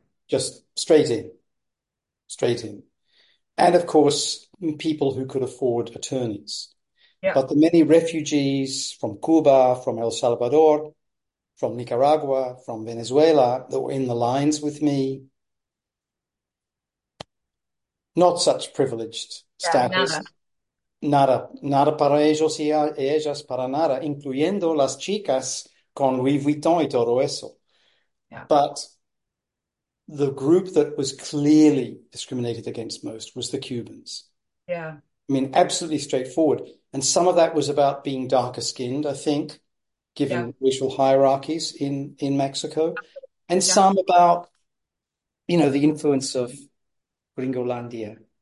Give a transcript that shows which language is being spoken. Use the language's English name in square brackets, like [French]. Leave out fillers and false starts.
[English] Just straight in. Straight in. And of course, people who could afford attorneys. But the many refugees from Cuba, from El Salvador, from Nicaragua, from Venezuela that were in the lines with me, not such privileged [Spanish] Nada. [English] status. [Spanish] Nada, nada para ellos y a ellas para nada, incluyendo las chicas con Louis Vuitton y todo eso. [English] But the group that was clearly discriminated against most was the Cubans. I mean, absolutely straightforward. And some of that was about being darker skinned, I think, given racial hierarchies in Mexico, and some about, the influence of Gringolandia